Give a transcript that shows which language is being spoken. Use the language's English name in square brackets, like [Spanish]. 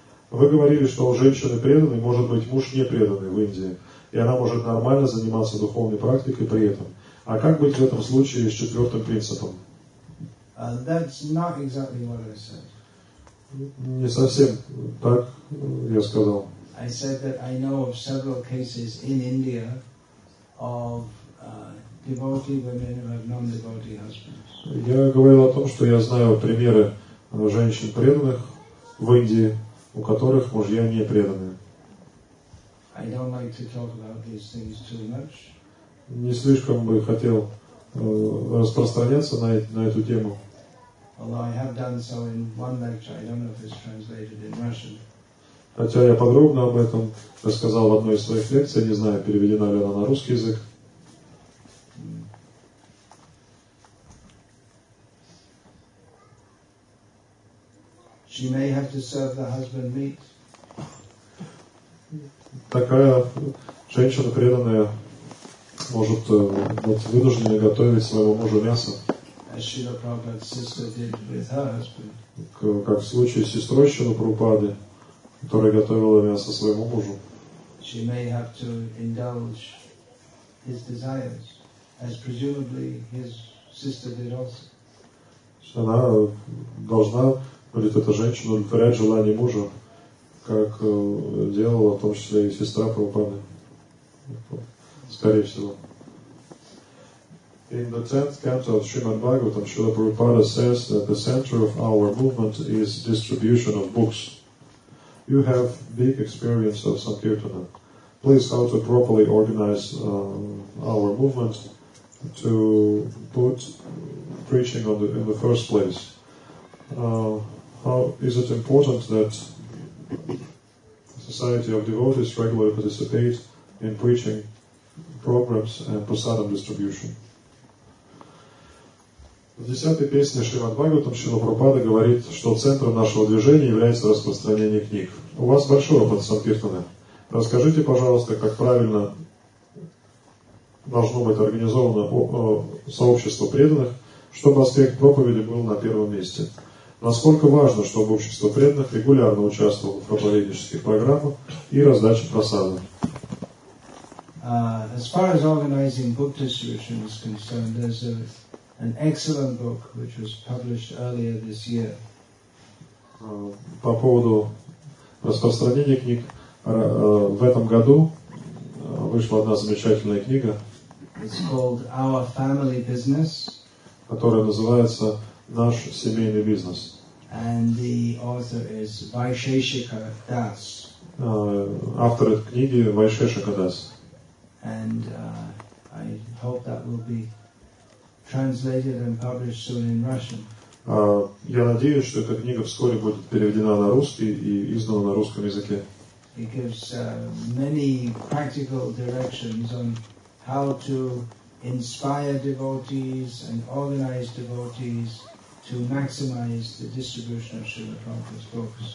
[Russian] Вы говорили, что у женщины преданной может быть муж не преданный в Индии, и она может нормально заниматься духовной практикой при этом. А как быть в этом случае с четвертым принципом? [English] That's not exactly what I said. [Russian] Не совсем так я сказал. [English] I said that I know of several cases in India of devotee women who have non-devotee husbands. [Russian] Я говорил о том, что я знаю примеры женщин преданных в Индии, у которых мужья не преданные. [English] I don't like to talk about these things too much. [Russian] Не слишком бы хотел распространяться на эту тему. [English] Although I have done so in one lecture, I don't know if it's translated in Russian. [Russian] Хотя я подробно об этом рассказал в одной из своих лекций, не знаю, переведена ли она на русский язык. [English] She may have to serve the husband meat. [Russian] Такая женщина преданная может быть вынуждена готовить своему мужу мясо. [English] As Srila Prabhupada's sister did with her husband. [Russian] Как в случае с сестрой Шрилы Прабхупады, которая готовила мясо своему мужу. [English] She may have to indulge his desires, as presumably his sister did also. [Russian] Она должна будет эта женщина удовлетворять желание мужа, как делала в том числе и сестра Прабхупады, скорее всего. [English] In the 10th canto of Srimad Bhagavatam, Srila Prabhupada says that the center of our movement is distribution of books. You have big experience of Sankirtana. Please, how to properly organize our movement to put preaching on in the first place? How is it important that the society of devotees regularly participate in preaching programs and prasadam distribution? [Russian] В 10-й песне Шримад-Бхагаватам Шрила Прабхупада говорит, что центром нашего движения является распространение книг. У вас большой опыт санкиртаны. Расскажите, пожалуйста, как правильно должно быть организовано сообщество преданных, чтобы аспект проповеди был на первом месте. Насколько важно, чтобы общество преданных регулярно участвовало в проповеднических программах и раздаче просады? [English] As far as organizing book distribution is concerned, there's an excellent book which was published earlier this year. [Russian] По поводу распространения книг, в этом году вышла одна замечательная книга. [English] It's called Our Family Business. [Russian] Которая называется «Наш семейный бизнес». [English] And the author is Vaisheshika Das. [Russian] Автор книги Vaisheshika Das. [English] And I hope that will be translated and published soon in Russian. [Russian] Я надеюсь, что эта книга вскоре будет переведена на русский и издана на русском языке. [English] It gives many practical directions on how to inspire devotees and organize devotees to maximize the distribution of Srila Prabhupada's books.